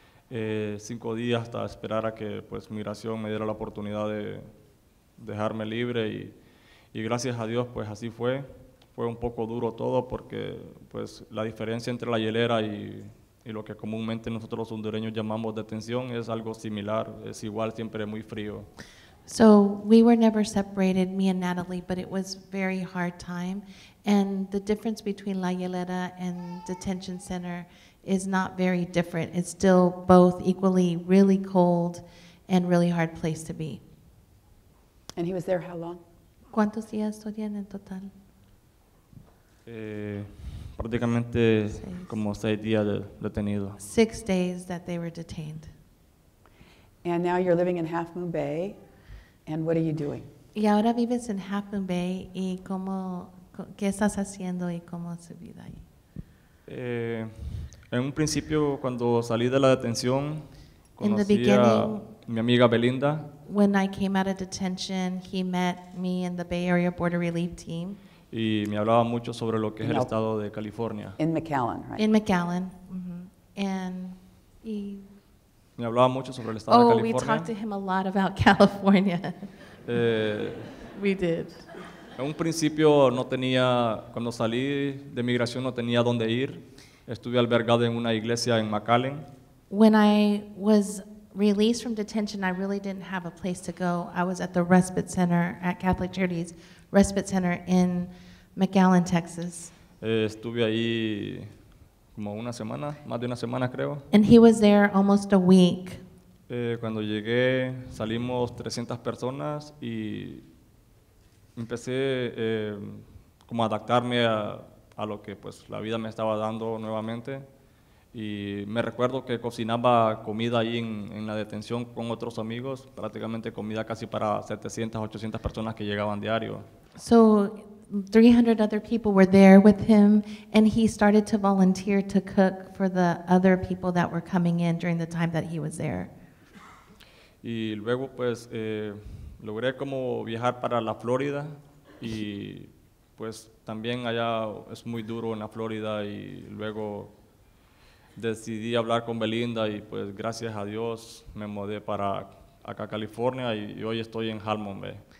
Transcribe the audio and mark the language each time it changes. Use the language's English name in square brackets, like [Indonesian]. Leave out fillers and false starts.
[Spanish] 5 días hasta esperar a que, pues, migración me diera la oportunidad de dejarme libre. Y gracias a Dios, pues, así fue. Fue un poco duro todo porque, pues, la diferencia entre la hielera y lo que comúnmente nosotros los hondureños llamamos detención es algo similar, es igual, siempre muy frío. [English] So, we were never separated, me and Natalie, but it was very hard time. And the difference between La Hielera and detention center is not very different. It's still both equally really cold and really hard place to be. And he was there how long? [Spanish] ¿Cuántos días estuvieron en total? Prácticamente como 6 días detenido. [English] 6 days that they were detained. And now you're living in Half Moon Bay. And what are you doing? [Spanish] Y ahora vives en Half Moon Bay. ¿Y cómo, qué estás haciendo y cómo es tu vida ahí? En un principio, cuando salí de la detención, conocí a mi amiga Belinda. [English] When I came out of detention, he met me in the Bay Area Border Relief Team. [Spanish] Y me hablaba mucho sobre lo que es el estado de California. [English] In McAllen, right? In McAllen. Mm-hmm. [Spanish] Me hablaba mucho sobre el estado de California. [English] Oh, we talked to him a lot about California. We did. [Spanish] En un principio no tenía, cuando salí de migración no tenía dónde ir. Estuve albergado en una iglesia en McAllen. [English] When I was released from detention, I really didn't have a place to go. I was at the respite center at Catholic Charities Respite Center in McAllen, Texas. [Spanish] Estuve ahí como una semana, más de una semana creo. [English] And he was there almost a week. [Spanish] Cuando llegué, salimos 300 personas y empecé como a adaptarme a lo que pues la vida me estaba dando nuevamente. Y me recuerdo que cocinaba comida ahí en la detención con otros amigos, prácticamente comida casi para 700, 800 personas que llegaban diario. [English] So 300 other people were there with him, and he started to volunteer to cook for the other people that were coming in during the time that he was there. [Spanish] Y luego pues logré como viajar para la Florida, y pues también allá es muy duro en la Florida, y luego decidí hablar con Belinda, y pues gracias a Dios me mudé para acá, California, y hoy estoy en Halmon Bay.